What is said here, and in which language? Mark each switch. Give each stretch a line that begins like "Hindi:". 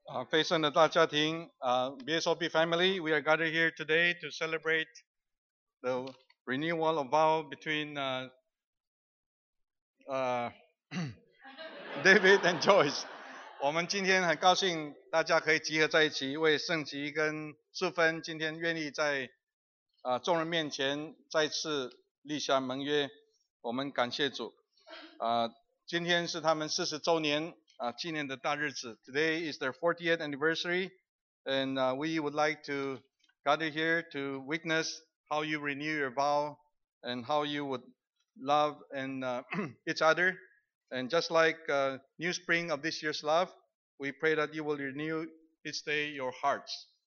Chinese: 非圣的大家庭
English: BSOB family, we are gathered here today to celebrate the renewal of vow between David and Joyce.
Chinese: 我们今天很高兴大家可以集合在一起，为圣吉跟淑芬今天愿意在众人面前再次立下盟约。我们感谢主。今天是他们40周年纪念的大日子。
English: Today is their 40th anniversary, and we would like to gather here to witness how you renew your vow and how you would love and each other. And just like new spring of this year's love, we pray that you will renew each day your hearts.